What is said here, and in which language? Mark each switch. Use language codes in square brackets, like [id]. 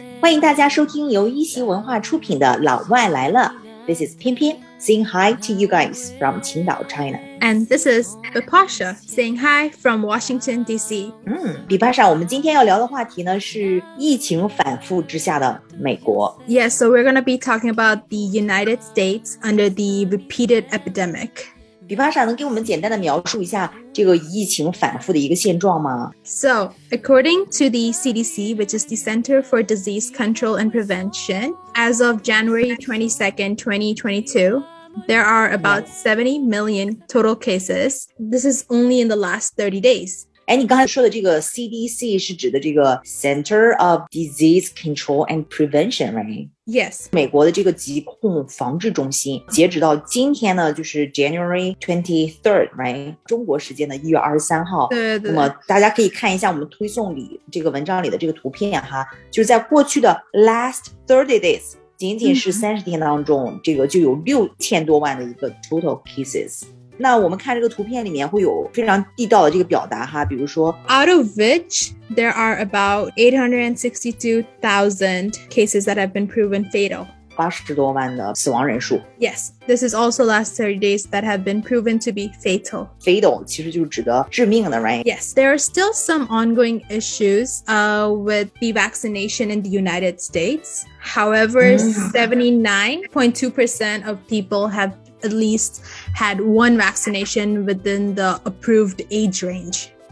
[zh] 欢迎大家收听由一席文化出品的《老外来了》。 [en] This is Pian Pian saying hi to you guys from Qingdao, China. And this is Bipasha saying hi from Washington, D.C. [zh] Bipasha, 我们今天要聊的话题呢是疫情反复之下的美国。 [en] Yes, so we're going to be talking about the United States under the repeated epidemic. [zh] 比方说能给我们简单的描述一下这个疫情反复的一个现状吗 [en] So, according to the CDC, which is the Center for Disease Control and Prevention, as of January 22nd, 2022, there are about 70 million total cases. This is only in the last 30 days. [zh] 哎，你刚才说的这个 CDC 是指的这个 [en] Center of Disease Control and Prevention, right? Yes. [zh] 美国的这个疾控防治中心截止到今天呢就是 [en] January 23rd, right? [zh] 中国时间的1月23号。对。那么大家可以看一下我们推送里这个文章里的这个图片哈。就是在过去的 [en] last 30 days, [zh] 仅仅是30天当中、这个就有6000多万的一个 [en] total cases。 [zh] 那我们看这个图片里面会有非常地道的这个表达哈比如说 [en] Out of which there are about 862,000 cases that have been proven fatal [zh] 80多万的死亡人数 [en] Yes, this is also last 30 days that have been proven to be fatal [zh] Fatal 其实就是指的致命的 right? [en] Yes, there are still some ongoing issues、with the vaccination in the United States However, 79.2% of people haveat least had one vaccination within the approved age range.